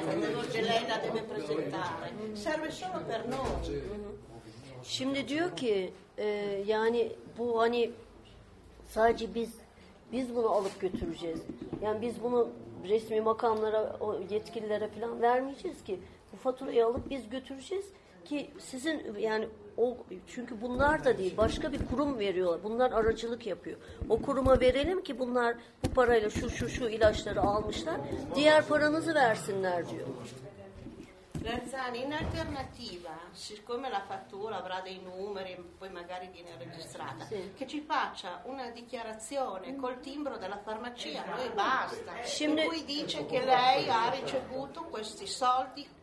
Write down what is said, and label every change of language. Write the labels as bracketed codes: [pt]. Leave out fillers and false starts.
[it] Non è che lei la deve presentare. Serve solo per noi. [tr] Şimdi diyor ki, yani bu hani sadece biz bunu alıp götüreceğiz. Yani biz bunu resmi makamlara, o yetkililere falan vermeyeceğiz ki. Bu faturayı alıp biz götüreceğiz ki sizin yani o, çünkü bunlar da değil, başka bir kurum veriyorlar. Bunlar aracılık yapıyor. O kuruma verelim ki bunlar bu parayla şu şu şu ilaçları almışlar. Diğer paranızı versinler diyor. [it] Lanzani, in alternativa, siccome la fattura avrà dei numeri, poi magari viene registrata, sì, che ci faccia una dichiarazione col timbro della farmacia, poi basta. Scimne... Lui dice che lei ha ricevuto questi soldi.